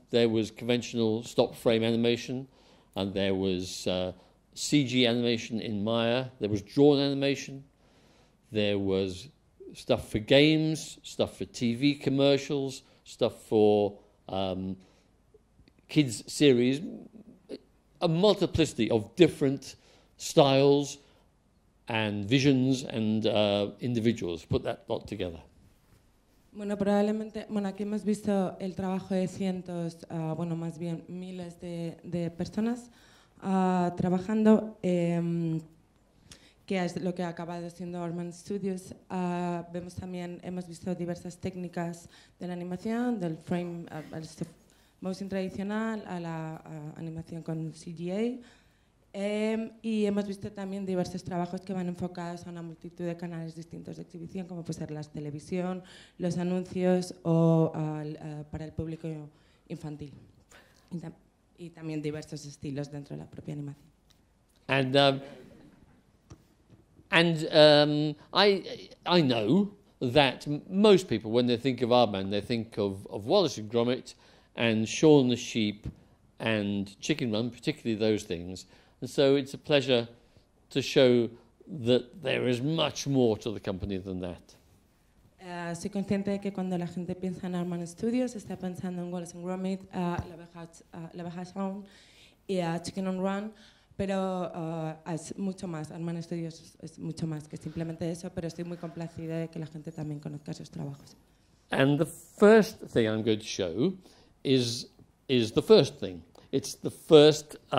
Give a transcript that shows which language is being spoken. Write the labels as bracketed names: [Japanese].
[English] There was conventional stop frame animation, and there was CG animation in Maya, there was drawn animation, there was stuff for games, stuff for TV commercials, stuff for kids' series, a multiplicity of different styles and visions and individuals. Put that lot together. [Spanish] Bueno, probablemente, bueno, aquí hemos visto el trabajo de cientos, bueno, más bien miles de personas trabajando, que es lo que ha acabado siendo Aardman Studios. Vemos también, hemos visto diversas técnicas de la animación, del frame, el stop motion tradicional, a la animación con CGA, y hemos visto también diversos trabajos que van enfocados a una multitud de canales distintos de exhibición, como puede ser la televisión, los anuncios o para el público infantil. Y también diversos estilos dentro de la propia animación. [English] And I know that most people, when they think of Aardman, they think of Wallace and Gromit and Shaun the Sheep and Chicken Run, particularly those things. And so it's a pleasure to show that there is much more to the company than that. [Spanish] Soy consciente de que cuando la gente piensa en Aardman Studios, está pensando en Wallace and Gromit, La Oveja Shaun y Chicken on Run, pero es mucho más. Aardman Studios es mucho más que simplemente eso, pero estoy muy complacida de que la gente también conozca sus trabajos. [English] And the first thing I'm going to show is the first thing. It's the first...